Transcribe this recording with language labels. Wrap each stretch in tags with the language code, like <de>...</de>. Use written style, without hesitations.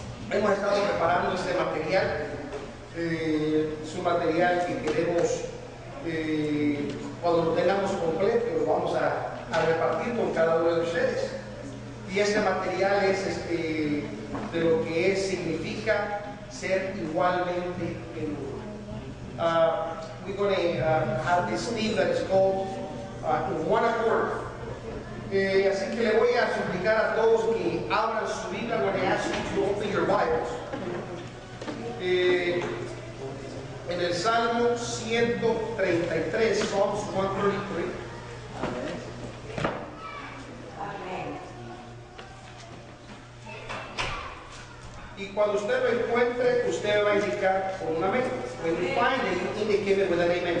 <es>Hemos estado preparando este material, es un material que queremos, cuando lo tengamos completo, lo vamos a repartir con cada uno de ustedes. Y este material es de lo que es, significa ser igualmente en uno.</es> <en>We're going to have this theme that is called In One Accord.</en> <es>Así que le voy a suplicar a todos que abran su Biblia.</es> <en>I'm going to ask you to open your Bibles.</en> <es>En el Salmo 133,</es> <en>Psalms 133.</en> <es>Y cuando usted lo encuentre, usted va a indicar con un amén.</es> <en>When you find it, you indicate it with an amen.</en>